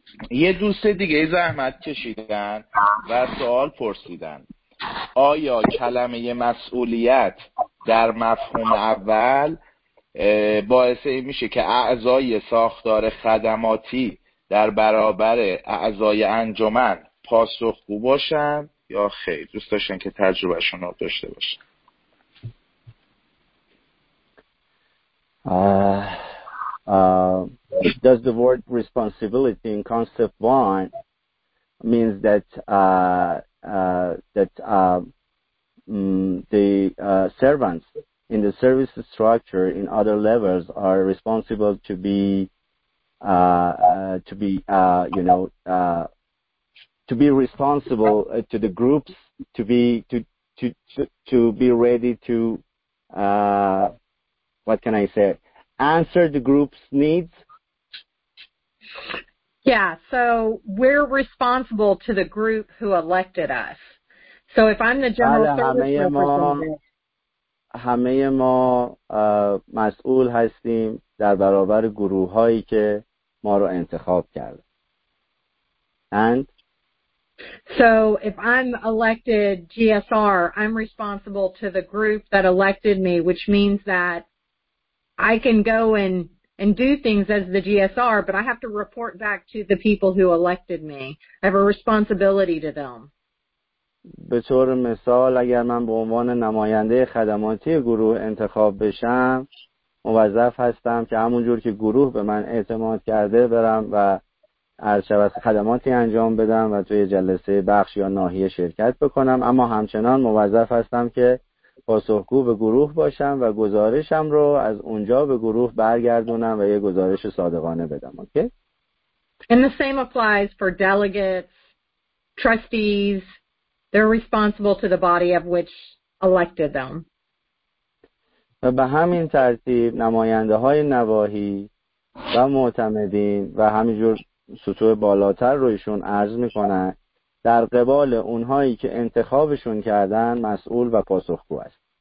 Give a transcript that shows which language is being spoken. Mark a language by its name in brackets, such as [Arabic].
[Persian] یه دوست دیگه زحمت کشیدن و سوال پرسیدن، آیا کلمه مسئولیت در مفهوم اول باعث این میشه که اعضای ساختار خدماتی در برابر اعضای انجمن پاسخ خوب باشن یا خیر؟ دوست داشتن که تجربهشون رو داشته باشن. [English] Does the word responsibility in concept 1 means that the servants in the service structure in other levels are responsible to be responsible to the groups to be ready to answer the group's needs? Yeah, so we're responsible to the group who elected us. So if I'm the general service representative, [Persian] همه ما مسئول هستیم در برابر گروه هایی که ما رو انتخاب کرده. [English] And so if I'm elected GSR, I'm responsible to the group that elected me, which means that I can go and do things as the GSR, but I have to report back to the people who elected me. I have a responsibility to them. [Persian] به طور مثال اگر من به عنوان نماینده خدماتی گروه انتخاب بشم، موظف هستم که همون جور که گروه به من اعتماد کرده برم و از شبه خدماتی انجام بدم و توی جلسه بخش یا ناحیه شرکت بکنم، اما همچنان موظف هستم که پاسخگو به گروه باشم و گزارشم رو از اونجا به گروه برگردونم و یه گزارش صادقانه بدم. [English] Okay? And the same applies for delegates, trustees. They're responsible to the body of which elected them. [Persian] و به همین ترتیب نماینده های نواحی و معتمدین و همینجور سطوح بالاتر رو ایشون عرض می کنن در قبال اونهایی که انتخابشون کردن مسئول و پاسخگو است.